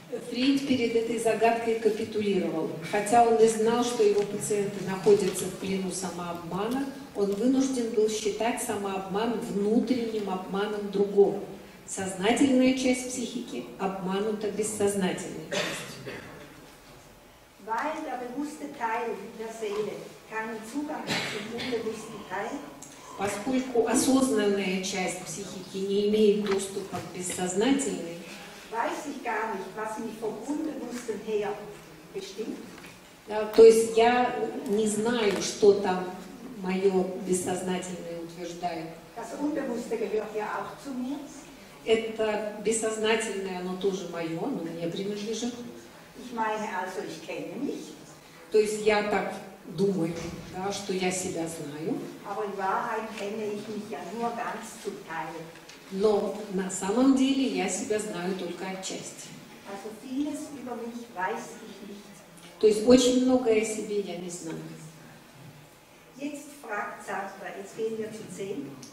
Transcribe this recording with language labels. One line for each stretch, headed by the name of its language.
Russian: Фрейд перед этой загадкой капитулировал. Хотя он и знал, что его пациенты находятся в плену самообмана, он вынужден был считать самообман внутренним обманом другого. Сознательная часть психики обманута бессознательной частью.
German: Weil der bewusste Teil der Seele keinen Zugang zum unbewussten Teil.
Russian: Поскольку осознанная часть психики не имеет доступа к бессознательной,
German: weiß ich gar nicht, was mich vom Unbewussten her bestimmt.
Russian: Да, то есть я не знаю, что там мое бессознательное утверждает.
German: Das Unbewusste gehört ja auch zu mir.
Russian: Это бессознательное, оно тоже мое, оно мне принадлежит.
German: Ich meine also, ich kenne mich.
Russian: То есть я так думаю, да, что я себя знаю.
German: Aber in Wahrheit kenne ich mich ja nur ganz zu Teil.
Russian: Но на самом деле я себя знаю только отчасти.
German: Also vieles über mich weiß ich nicht.
Russian: То есть очень многое о себе я не знаю.
German: Jetzt fragt Sartre, jetzt gehen wir zu 10.